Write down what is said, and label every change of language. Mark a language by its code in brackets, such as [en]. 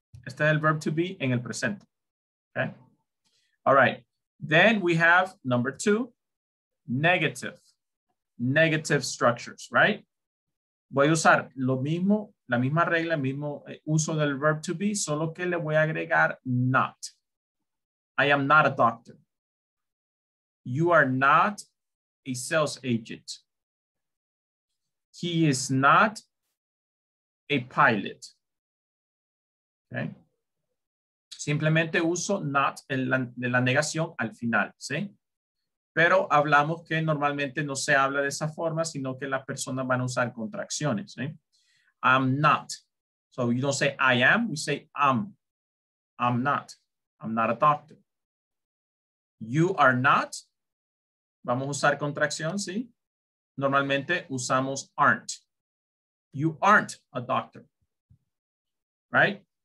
[es] Este es el [en] verb to be [es] en el presente. [en] Okay. All right. Then we have number two, negative structures, right? [es] Voy a usar lo mismo, la misma regla, mismo uso del [en] verb to be, [es] solo que le voy a agregar not. [en] I am not a doctor. You are not a sales agent. He is not a pilot. Okay. [es] Simplemente uso not en la negación al final, ¿sí? Pero hablamos que normalmente no se habla de esa forma, sino que las personas van a usar contracciones. [en] ¿Eh? I'm not. So you don't say I am, we say I'm. I'm not. I'm not a doctor. You are not. [es] Vamos a usar contracción, ¿sí? Normalmente usamos aren't. [en] You aren't a doctor. Right?